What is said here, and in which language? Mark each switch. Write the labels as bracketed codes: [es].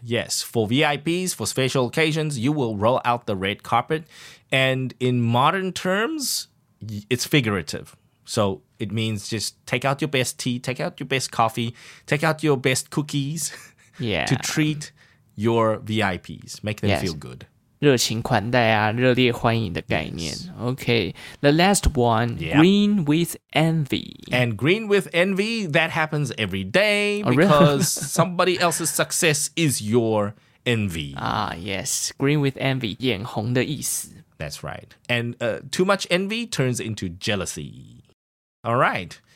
[en] Yes, for VIPs, for special occasions, you will roll out the red carpet. And in modern terms, it's figurative. So it means just take out your best tea, take out your best coffee, take out your best cookies to treat your VIPs, make them feel good. [zh] 热情款待啊, 热烈欢迎的概念. [en] Okay, the last one, green with envy. And green with envy, that happens every day because somebody else's success is your envy. Ah, yes, green with envy, [zh] 眼红的意思. [en] That's right. And too much envy turns into jealousy. All right.